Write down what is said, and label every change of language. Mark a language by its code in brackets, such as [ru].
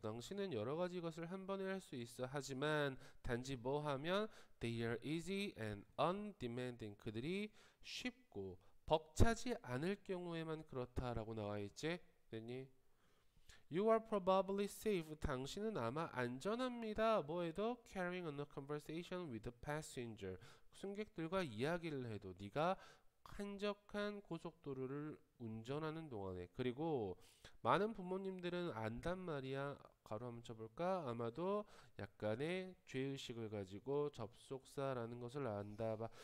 [ko] 당신은 여러 가지 것을 한 번에 할수 있어. 하지만 단지 뭐 하면 [en] they are easy and undemanding. [ko] 그들이 쉽고 벅차지 않을 경우에만 그렇다라고 나와 있지? 됐니? [en] You are probably safe. [ko] 당신은 아마 안전합니다. 뭐 해도 [en] carrying on a conversation with the passenger. [ko] 승객들과 이야기를 해도 네가 한적한 고속도로를 운전하는 동안에. 그리고 많은 부모님들은 안단 말이야. 가로 한번 쳐볼까? 아마도 약간의 죄의식을 가지고 접속사라는 것을 안다 봐.